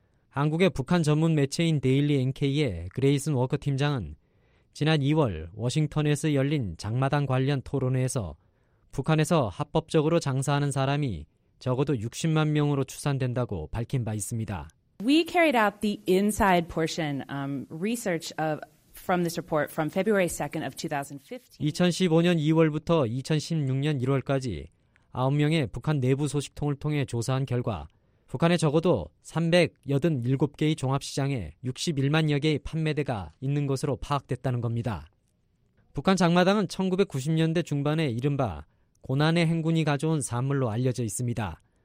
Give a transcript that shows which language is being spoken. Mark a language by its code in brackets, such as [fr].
[ko] 한국의 북한 전문 매체인 데일리 NK의 그레이슨 워커 팀장은 지난 2월 워싱턴에서 열린 장마당 관련 토론회에서 북한에서 합법적으로 장사하는 사람이 적어도 60만 명으로 추산된다고 밝힌 바 있습니다. [en] We carried out the inside portion research of from this report from February 2nd of 2015. [ko] 2015년 2월부터 2016년 1월까지 9명의 북한 내부 소식통을 통해 조사한 결과 북한에 적어도 387개의 종합시장에 61만여 개의 판매대가 있는 것으로 파악됐다는 겁니다. 북한 장마당은 1990년대 중반에 이른바 고난의 행군이 가져온 산물로 알려져 있습니다.